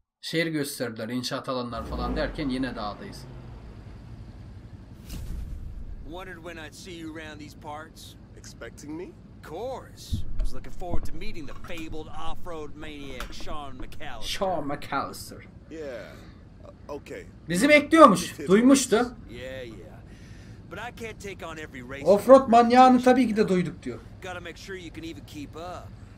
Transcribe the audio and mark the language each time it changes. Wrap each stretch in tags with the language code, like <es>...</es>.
<tr>Şehir gösterdiler, inşaat alanlar falan derken yine dağdayız.</tr> <en>Wondered when I'd see you around these parts. Expecting me? Of course. I was looking forward to meeting the fabled off-road maniac Sean McAllister. Sean McAllister. Yeah. Okay.</en> <tr>Bizi bekliyormuş. Duymuştu.</tr> <en>Yeah, yeah. But I can't take on every race.</en> <tr>Off-road manyağını tabii ki de duyduk diyor.</tr> <en>Gotta make sure you can even keep up.</en>